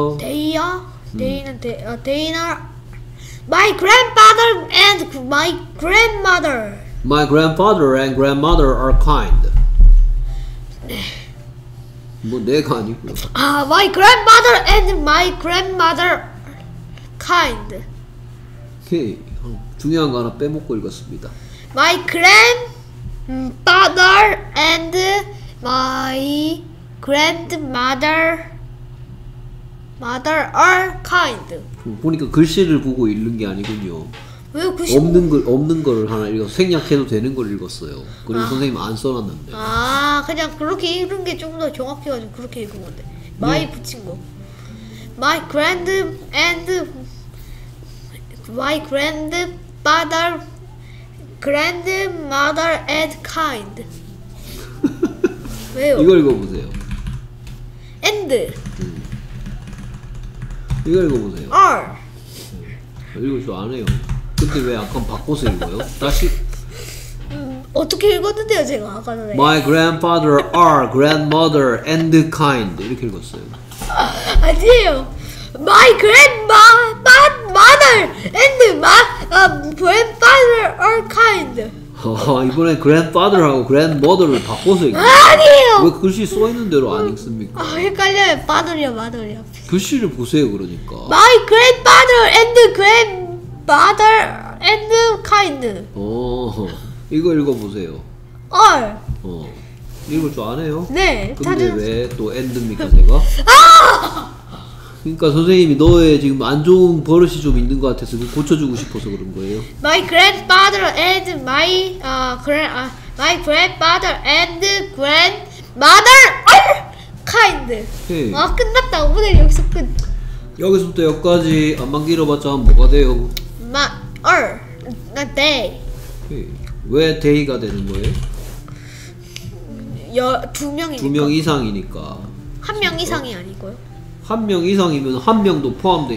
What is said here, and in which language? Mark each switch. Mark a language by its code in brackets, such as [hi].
[ko] 데이야? 데이는 데이는 [en] my grandfather and my grandmother. My grandfather and grandmother are kind. [ko] 네. 뭐 내가 아니고요. [en] 아, my grandmother and my grandmother kind. [ko] 오케이, 중요한 거 하나 빼먹고 읽었습니다. [en] My grandfather and my grandmother mother are kind. [ko] 보니까 글씨를 보고 읽는 게 아니군요. 왜 글씨 없는 글 없는 걸 하나 읽어 생략해도 되는 걸 읽었어요. 그리고 아. 선생님 안 써놨는데. 아, 그냥 그렇게 읽은 게 좀 더 정확해가지고 그렇게 읽은 건데. My 네. 붙인 거. [en] My grand and my grandfather, grandmother and kind. [ko] 왜요? 이거 읽어보세요. [en] And. [ko] 이거 읽어보세요. [en] Are. [ko] 읽을 줄 안 해요. 근데 왜 아까 바꿔서 읽어요? 다시 어떻게 읽었는데요 제가 아까는 [en] My grandfather are grandmother and kind [ko] 이렇게 읽었어요. 아니에요. [en] My grandmother and my grandfather are kind. [ko] 이번에 grandfather하고 grandmother를 바꿔서 읽어요. 아니에요. 왜 글씨 써있는 대로 안 읽습니까? 아, 헷갈려요. father이야. 글씨를 보세요 그러니까. [en] My grandfather and grand mother and kind. [ko] 이거 읽어보세요. [en] Are. [ko] 읽을 줄 아네요. 네. 근데 왜 또 엔드입니까, 제가? 아! 그러니까 선생님이 너의 지금 안 좋은 버릇이 좀 있는 것 같아서 고쳐주고 싶어서 그런 거예요. [en] My grandfather and my my grandfather and grandmother are kind. [ko] 네. 아 끝났다. 오늘 여기서 끝. 여기서부터 여기까지 안만 길어봤자 뭐가 돼요? [en] My are not day. [ko] 왜 day가 되는 거예요? 두 명이니까. 두 명 이상이니까. 한 명 이상이 아니고요. 한 명 이상이면 한 명도 포함돼.